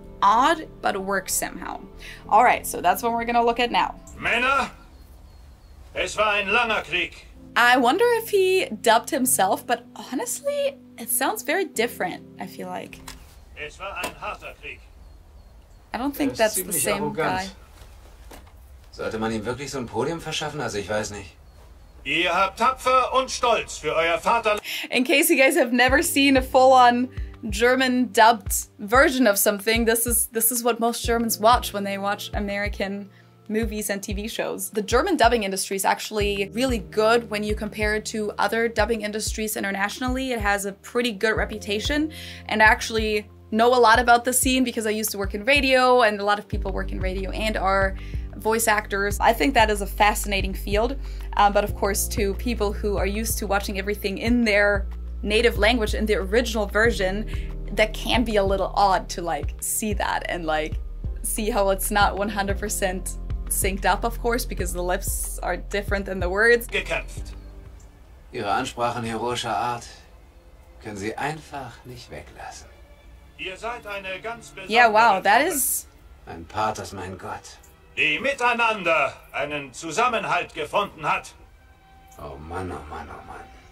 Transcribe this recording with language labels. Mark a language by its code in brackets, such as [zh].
[en] Odd, but it works somehow. All right, so that's what we're gonna look at now. [de] Männer, es war ein langer Krieg. [en] I wonder if he dubbed himself, but honestly, it sounds very different, I feel like. [de] Es war ein harter Krieg. [en] I don't think that's the same arrogant guy. [de] Sollte man ihm wirklich so ein Podium verschaffen? Also ich weiß nicht. Ihr habt tapfer und stolz für euer Vaterland. [en] In case you guys have never seen a full-on German dubbed version of something, this is what most Germans watch when they watch American movies and TV shows. The German dubbing industry is actually really good when you compare it to other dubbing industries internationally. It has a pretty good reputation, and I actually know a lot about the scene because I used to work in radio, and a lot of people work in radio and are voice actors. I think that is a fascinating field, but of course to people who are used to watching everything in their native language in the original version, that can be a little odd to like see that and like see how it's not 100% synced up, of course, because the lips are different than the words. [de] Gekämpft. Ihre Ansprachen heroischer Art können Sie einfach nicht weglassen. Ihr seid eine ganz besondere. [en] Yeah, wow, that is. [de] Ein Pathos, mein Gott. Die miteinander einen Zusammenhalt gefunden hat. Oh Mann, oh Mann, oh Mann.